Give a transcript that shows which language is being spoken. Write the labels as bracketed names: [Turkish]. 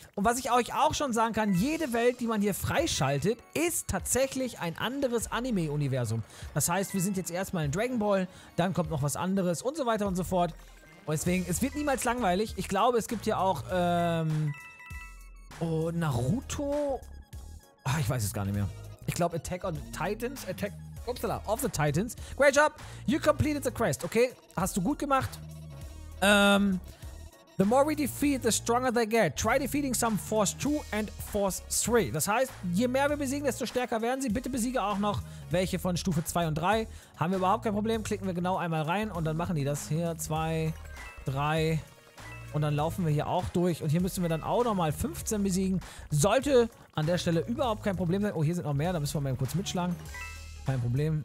[German] Und was ich euch auch schon sagen kann, jede Welt, die man hier freischaltet, ist tatsächlich ein anderes Anime-Universum. Das heißt, wir sind jetzt erstmal in Dragon Ball, dann kommt noch was anderes und so weiter und so fort. Und deswegen, es wird niemals langweilig. Ich glaube, es gibt hier auch, Naruto? Ach, ich weiß es gar nicht mehr. Ich glaube, Attack on Titans. [English] Attack, upsala, of the Titans. Great job. You completed the quest. [German] Okay, hast du gut gemacht. [English] The more we defeat, the stronger they get. Try defeating some Force 2 and Force 3. [German] Das heißt, je mehr wir besiegen, desto stärker werden sie. Bitte besiege auch noch welche von Stufe 2 und 3. Haben wir überhaupt kein Problem. Klicken wir genau einmal rein und dann machen die das hier. 2, 3 und dann laufen wir hier auch durch. Und hier müssen wir dann auch nochmal 15 besiegen. Sollte an der Stelle überhaupt kein Problem sein. Oh, hier sind noch mehr. Da müssen wir mal kurz mitschlagen. Kein Problem.